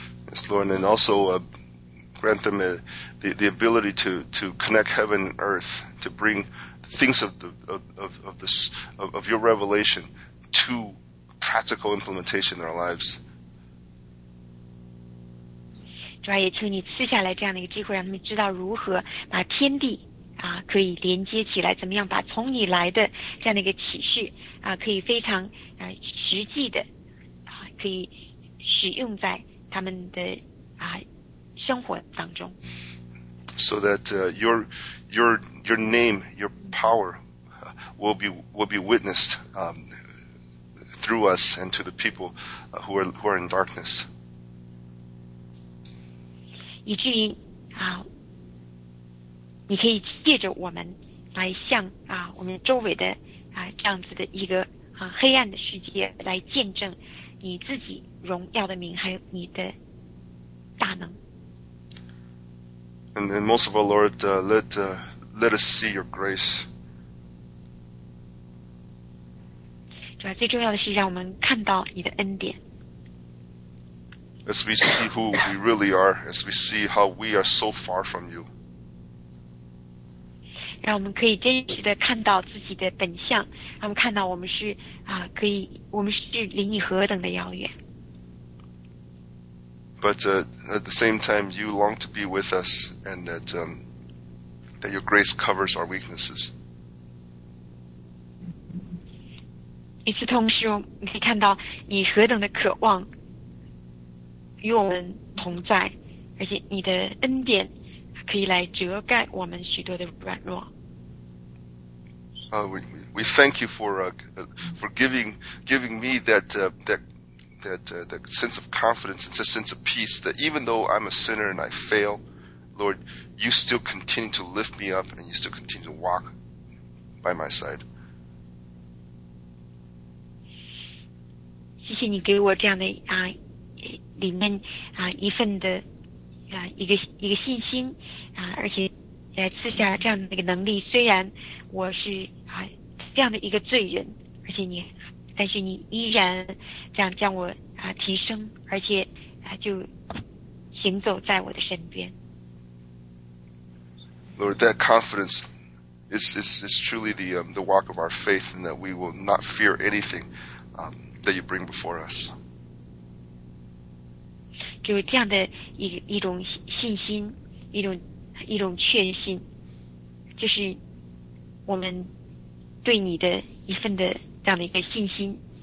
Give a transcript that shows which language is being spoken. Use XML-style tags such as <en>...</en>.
<en>Yes, Lord, and also grant them the ability to connect heaven and earth to bring things of your revelation to practical implementation in our lives.</en> <zh>主啊，也求你赐下来这样的一个机会，让他们知道如何把天地啊可以连接起来，怎么样把从你来的这样的一个启示啊，可以非常啊实际的啊，可以使用在他们的啊生活当中。</zh> <en>So that your name, your power will be witnessed through us and to the people who are in darkness.</en> <zh>以至于啊，你可以借着我们来向啊我们周围的啊这样子的一个啊黑暗的世界来见证你自己荣耀的名，还有你的大能。</zh> <en>And then most of all, Lord, let us see your grace.</en> <zh>主要最重要的是让我们看到你的恩典。</zh> <en>As we see who we really are, as we see how we are so far from you.</en> <zh>让我们可以真实的看到自己的本相，让我们看到我们是啊，可以，我们是离你何等的遥远。</zh> <en>But at the same time, you long to be with us, and that that your grace covers our weaknesses.</en> <zh>与此同时，我们可以看到你何等的渴望。与我们同在，而且你的恩典可以来遮盖我们许多的软弱。</zh> <en>We thank you for giving me that sense of confidence and that sense of peace that even though I'm a sinner and I fail, Lord, you still continue to lift me up and you still continue to walk by my side.</en> <zh>谢谢你给我这样的啊。里面啊一份的啊一个信心啊，而且来赐下这样的一个能力。虽然我是啊这样的一个罪人，而且你但是你依然这样将我提升，而且就行走在我的身边。</zh> <en>Lord, that confidence is truly the walk of our faith, and that we will not fear anything that you bring before us.</en> <zh>就这样的一种信心，一种确信，就是我们对你的一份的这样的一个信心。</zh>